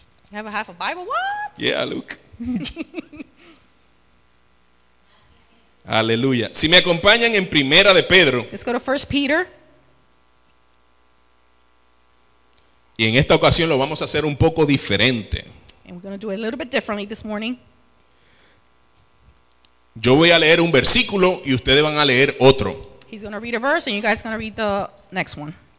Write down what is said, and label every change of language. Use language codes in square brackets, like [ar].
[en] You have a half a Bible? What? Yeah, Luke. [es] Aleluya. Si me acompañan en Primera de Pedro, [en] let's go to 1 Peter. [es] Y en esta ocasión lo vamos a hacer un poco diferente. [en] And we're going to do it a little bit differently this morning. [es] Yo voy a leer un versículo y ustedes van a leer otro. [en] He's going to read a verse and you guys are going to read the next one.